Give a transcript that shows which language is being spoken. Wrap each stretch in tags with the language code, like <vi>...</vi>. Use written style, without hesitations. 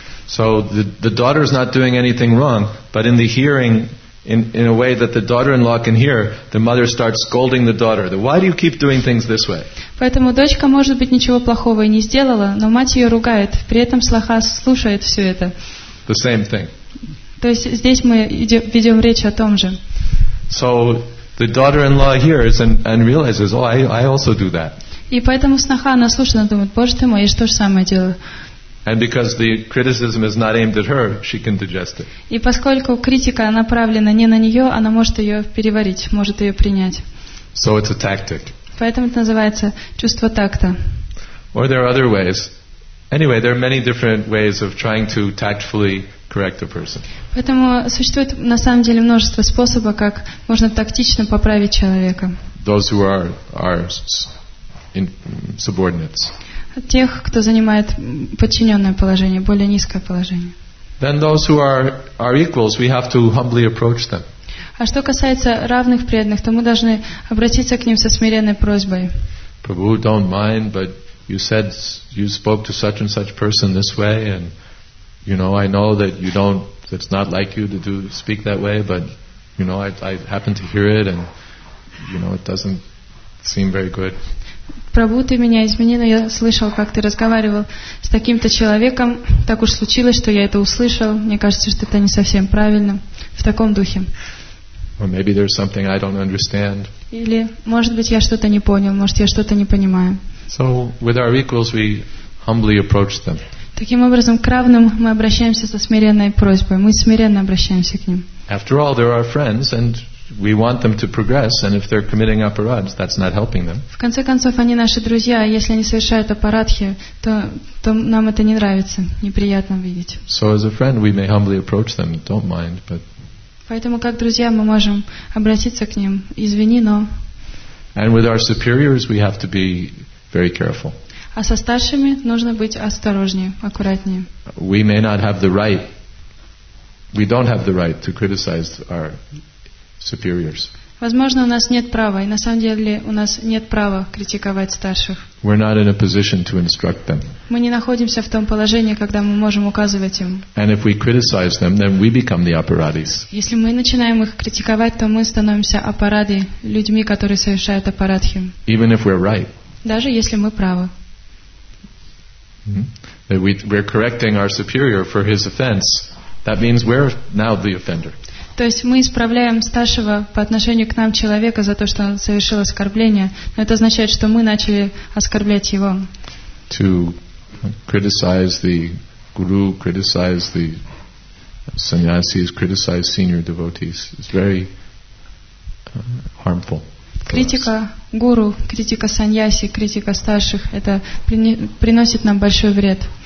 <en>So the daughter is not doing anything wrong, but in the hearing, in a way that the daughter-in-law can hear, the mother starts scolding the daughter. Why do you keep doing things this way?</en> <ru>Поэтому дочка может быть ничего плохого и не сделала, но мать ее ругает, при этом сноха слушает все это.</ru> <en>The same thing.</en> <ru>То есть здесь мы ведем речь о том же.</ru> <en>So the daughter-in-law hears and realizes, "Oh, I also do that."</en> <ru>И поэтому сноха, она слушает, она думает, "Боже ты мой, я же то же самое делаю."</ru> <en>And because the criticism is not aimed at her, she can digest it.</en> <ru>И поскольку критика направлена не на неё, она может её переварить, может её принять.</ru> <en>So it's a tactic.</en> <ru>Поэтому это называется чувство такта.</ru> <en>Or there are other ways. Anyway, there are many different ways of trying to tactfully correct a person.</en> <ru>Поэтому существует на самом деле множество способов, как можно тактично поправить человека.</ru> <en>Those who are in subordinates.</en> <ru>Тех, кто занимает подчиненное положение, более низкое положение.</ru> <en>Then those who are equals, we have to humbly approach them.</en> <ru>А что касается равных преданных, то мы должны обратиться к ним со смиренной просьбой.</ru> <en>Prabhu, don't mind, but you said you spoke to such and such person this way, and you know, I know that you don't. It's not like you to speak that way, but you know, I happen to hear it, and you know, it doesn't seem very good.</en> <ru>Прабу, ты меня измени, но я слышал, как ты разговаривал с таким-то человеком. Так уж случилось, что я это услышал. Мне кажется, что это не совсем правильно. В таком духе.</ru> <en>Or maybe there's something I don't understand.</en> <ru>Или, может быть, я что-то не понял, может, я что-то не понимаю.</ru> <en>So, with our equals, we humbly approach them.</en> <ru>Таким образом, к равным мы обращаемся со смиренной просьбой. Мы смиренно обращаемся к ним.</ru> <en>After all, they're our friends, and we want them to progress, and if they're committing aparadhs, that's not helping them.</en> <ru>В конце концов, они наши друзья, а если они совершают апарадхи, то нам это не нравится, неприятно видеть.</ru> <en>So as a friend, we may humbly approach them, don't mind, but...</en> <ru>Поэтому как друзья мы можем обратиться к ним, извини, но...</ru> <en>And with our superiors, we have to be very careful.</en> <ru>А со старшими нужно быть осторожнее, аккуратнее.</ru> <en>We may not have the right, we don't have the right to criticize our... Superiors.</en> <ru>Возможно, у нас нет права, и на самом деле у нас нет права критиковать старших.</ru> <en>We're not in a position to instruct them.</en> <ru>Мы не находимся в том положении, когда мы можем указывать им.</ru> <en>And if we criticize them, then we become the aparadhis.</en> <ru>Если мы начинаем их критиковать, то мы становимся аппарады, людьми, которые совершают аппарадхи.</ru> <en>Even if we're right.</en> <ru>Даже если мы правы.</ru> <en>That we're correcting our superior for his offense. That means we're now the offender.</en> <ru>То есть мы исправляем старшего по отношению к нам человека за то, что он совершил оскорбление, но это означает, что мы начали оскорблять его.</ru> <en>To criticize the guru, criticize the sannyasis, criticize senior devotees is very harmful.</en> <ru>Критика гуру, критика саньяси, критика старших — это приносит нам большой вред.</ru>